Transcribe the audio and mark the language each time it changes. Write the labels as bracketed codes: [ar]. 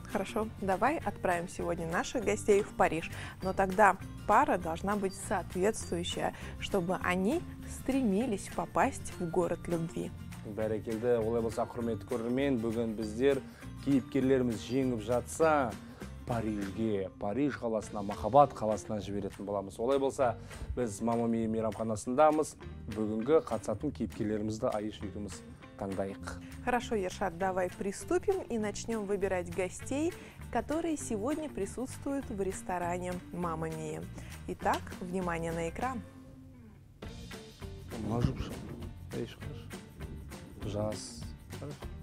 [ru] Хорошо, давай отправим сегодня наших гостей в Париж. Но тогда пара должна быть соответствующая, чтобы они стремились попасть в город любви. [kk] Бәрекелді, олай болса, құрметті көрермен, бүгін біздер кейіпкерлеріміз жеңіп жатса, Парижге, Париж қаласына, махаббат қаласына жіберетін боламыз. Олай болса, біз Мамамия мейрамханасындамыз, бүгінгі қатысатын кейіпкерлерімізді Айш екеуміз таңдайық. [ru] Хорошо, Ершат, давай приступим и начнем выбирать гостей, которые сегодня присутствуют в ресторане Мамамия. Итак, внимание на экран. Мажупша, Айш, хорошо. Жас, хорошо.